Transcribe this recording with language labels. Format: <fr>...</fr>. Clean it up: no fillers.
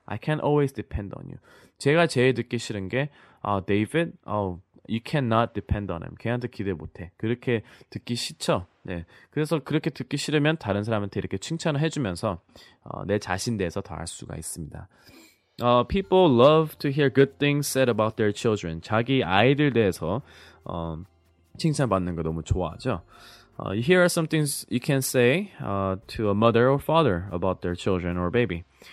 <en>I can always depend on you.</en> <ko>제가 제일 듣기 싫은 게</ko> <en>David, you cannot depend on him.</en> <ko>걔한테 기대 못해. 그렇게 듣기 싫죠. 네. 그래서 그렇게 듣기 싫으면 다른 사람한테 이렇게 칭찬을 해주면서 내 자신 대해서 더 알 수가 있습니다.</ko> <en>People love to hear good things said about their children.</en> <ko>자기 아이들 대해서 칭찬받는 거 너무 좋아하죠.</ko> <en>Here are some things you can say to a mother or father about their children or baby.</en>